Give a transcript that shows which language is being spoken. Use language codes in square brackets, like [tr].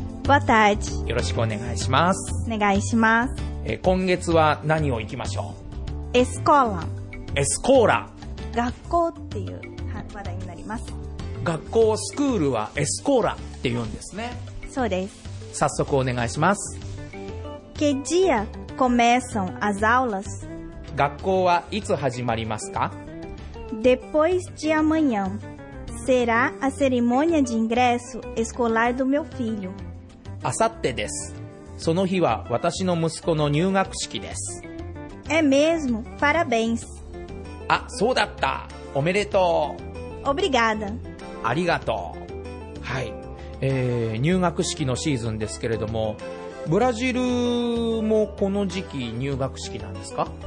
[ja] ボタージ。よろしくお願いします。お願いします。今月は何を行きましょう。エスコーラ。エスコーラ、学校っていう話題になります。学校スクールはエスコーラって言うんですね。そうです。早速お願いします。 [pt] Que dia começam as aulas? [ja] 学校はいつ始まりますか。 [pt] Depois de amanhã será a cerimônia de ingresso escolar do meu filho。 [ja] あさってです。その日は私の息子の入学式です。 [pt] É mesmo? Parabéns。 [ja] あ、そうだった。おめでとう。 [pt] Obrigada。 [ja] ありがとう。はい、入学式のシーズンですけれども、ブラジルもこの時期入学式なんですか。